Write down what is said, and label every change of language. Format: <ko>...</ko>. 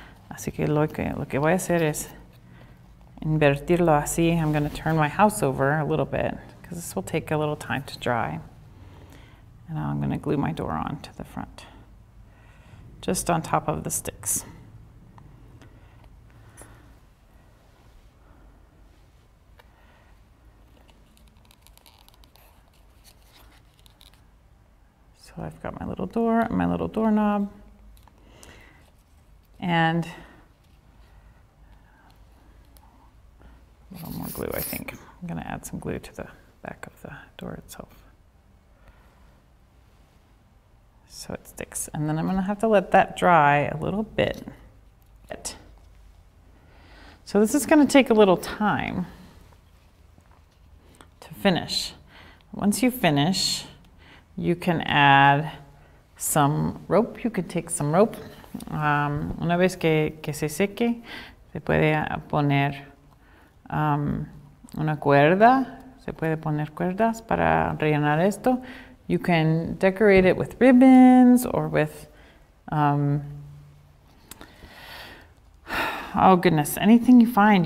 <es>Así que lo que voy a hacer es invertirlo así.</es> <en>I'm going to turn my house over a little bit because this will take a little time to dry. And I'm going to glue my door on to the front, just on top of the sticks. So I've got my little door, my little doorknob, and a little more glue, I think. I'm going to add some glue to the back of the door itself so it sticks. And then I'm going to have to let that dry a little bit. So this is going to take a little time to finish. Once you finish, you can add some rope. You could take some rope.</en> <es>Una vez que se seque, se puede poner una cuerda. Se puede poner cuerdas para rellenar esto.</es> <en>You can decorate it with ribbons or with, oh goodness, anything you find.</en>